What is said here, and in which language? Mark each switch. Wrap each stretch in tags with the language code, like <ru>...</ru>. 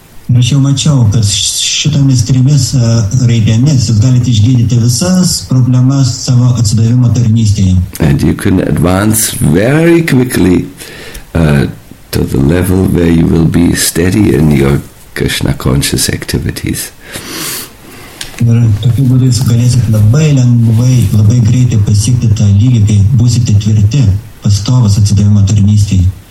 <lt>Aš jau mačiau, kad šitomis trimis raidėmis jūs galite išgydyti visas problemas savo atsidavimo tarnystėje.</lt> <en>And you can advance very quickly to the level where you will be steady in your Krishna conscious activities.</en> <lt>Ir tokiu būdu jūs galėsite labai lengvai, labai greitai pasiekti tą lygį, kai būsite tvirti, pastovus atsidavimo tarnystėje.</lt>